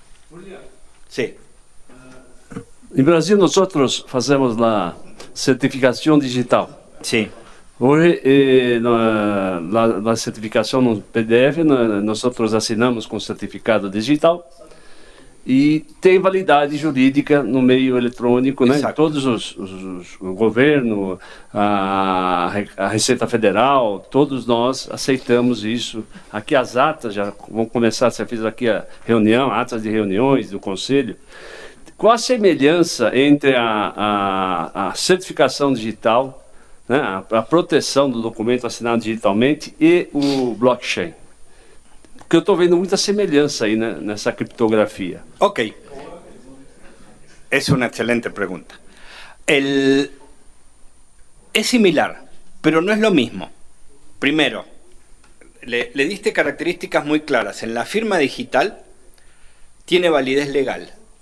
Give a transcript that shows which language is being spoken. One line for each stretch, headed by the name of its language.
Spanish: Julia. Sí. En Brasil nosotros hacemos la certificación digital. Sí. Hoy la certificación en PDF, nosotros asignamos con certificado digital.
Portuguese: e tem validade jurídica no meio eletrônico, né? Todos os o governo, a Receita Federal, todos nós aceitamos isso. Aqui as atas já vão começar, você fez aqui a reunião, atas de reuniões do Conselho. Qual a semelhança entre a certificação digital, né, a proteção do documento assinado digitalmente e o blockchain? Porque eu estou vendo muita semelhança aí, né, nessa criptografia. Ok.
Spanish: Es una excelente pregunta. Es similar, pero no es lo mismo. Primero, le diste características muy claras. En la firma digital tiene validez legal.